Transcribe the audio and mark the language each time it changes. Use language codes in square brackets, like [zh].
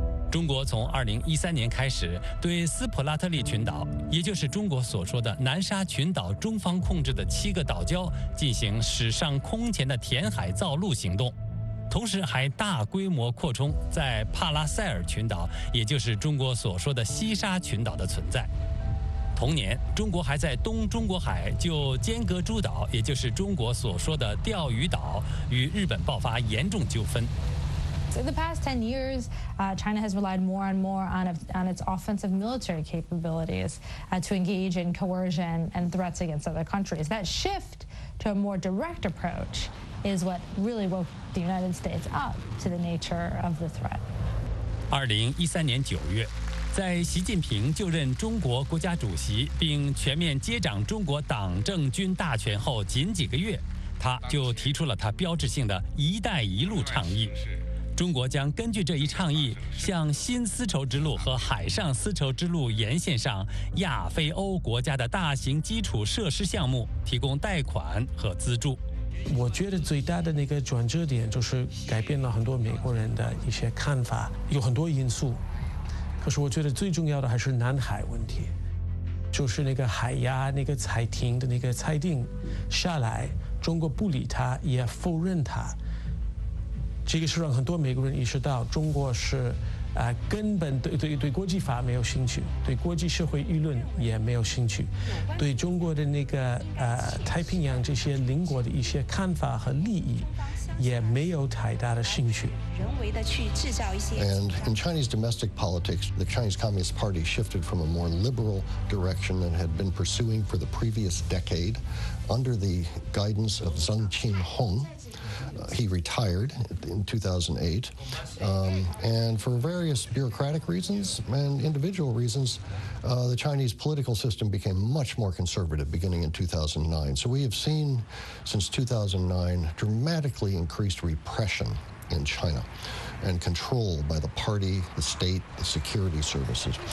[zh] 中国从2013年开始对斯普拉特利群岛，也就是中国所说的南沙群岛中方控制的七个岛礁进行史上空前的填海造陆行动，同时还大规模扩充在帕拉塞尔群岛，也就是中国所说的西沙群岛的存在。同年，中国还在东中国海就尖阁诸岛，也就是中国所说的钓鱼岛，与日本爆发严重纠纷。 [en] In the past 10 years, China has relied more and more on its offensive military capabilities to engage in coercion and threats against other countries. That shift to a more direct approach is what really woke the United States up to the nature of the threat. [zh] 2013年9月，在习近平就任中国国家主席并全面接掌中国党政军大权后仅几个月，他就提出了他标志性的一带一路倡议。中国将根据这一倡议，向新丝绸之路和海上丝绸之路沿线上亚非欧国家的大型基础设施项目提供贷款和资助。我觉得最大的那个转折点就是改变了很多美国人的一些看法，有很多因素，可是我觉得最重要的还是南海问题，就是那个海牙那个裁定的那个裁定下来，中国不理他也否认他，这个是让很多美国人意识到中国是根本对国际法没有兴趣，对国际社会舆论也没有兴趣，对中国的那个太平洋这些邻国的一些看法和利益也没有太大的兴趣。 [en] And in Chinese domestic politics, the Chinese Communist Party shifted from a more liberal direction than had been pursuing for the previous decade under the guidance of Zheng Qinhong. He retired in 2008, and for various bureaucratic reasons and individual reasons, the Chinese political system became much more conservative beginning in 2009. So we have seen, since 2009, dramatically increased repression in China and control by the party, the state, the security services.